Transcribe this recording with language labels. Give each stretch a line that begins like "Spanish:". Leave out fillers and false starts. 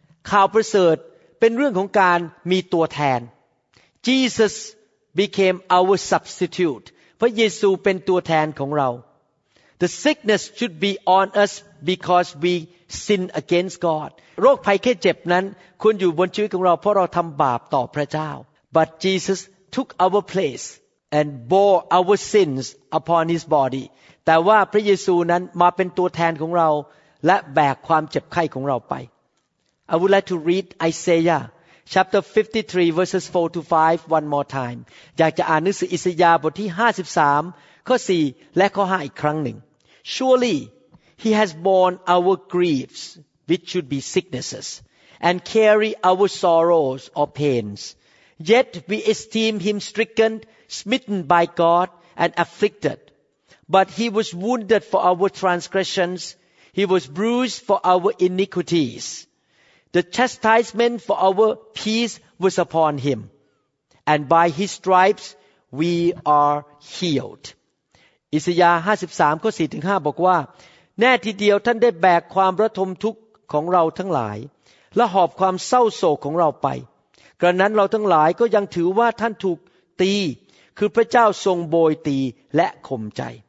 Thai: ข่าวประเสริฐเป็นเรื่องของการมีตัวแทน
English: Jesus became our substitute.
Thai: พระเยซูเป็นตัวแทนของเรา
English: The sickness should be on us because we sin against God.
Thai: โรคภัยแค่เจ็บนั้นควรอยู่บนชีวิตของเราเพราะเราทำบาปต่อพระเจ้า
English: But Jesus took our place and bore our sins upon his body.
Thai: แต่ว่าพระเยซูนั้นมาเป็นตัวแทนของเราและแบกความเจ็บไข้ของเราไป
English: I would like to read Isaiah chapter 53 verses 4 to 5 one more time.
Thai: อยากจะอ่านหนังสืออิสยาห์บทที่53ข้อ4และข้อ5อีกครั้งหนึ่ง
English: Surely he has borne our griefs which should be sicknesses and carry our sorrows or pains. Yet we esteem him stricken, smitten by God and afflicted. But he was wounded for our transgressions. He was bruised for our iniquities. The chastisement for our peace was upon him. And by his stripes we are healed.
Thai: อิสยาห์ 53 ข้อ 4 ถึง 5 บอกว่าแน่ทีเดียวท่านได้แบกความระทมทุกข์ของเราทั้งหลายและหอบความเศร้าโศกของเราไปกระนั้นเราทั้งหลายก็ยังถือว่าท่านถูกตีคือพระเจ้าทรงโบยตีและข่มใจ